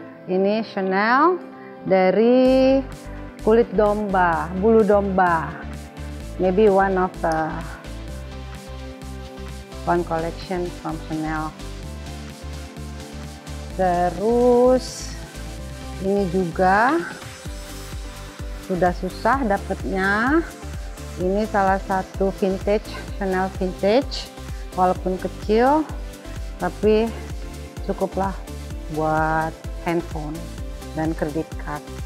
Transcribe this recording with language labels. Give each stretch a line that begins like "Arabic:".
Indonesian: Ini Chanel dari kulit domba, bulu domba.
English: Maybe one of the one collection from Chanel.
Indonesian: Terus ini juga sudah susah dapatnya. Ini salah satu vintage Chanel vintage, walaupun kecil tapi cukuplah buat handphone dan credit card.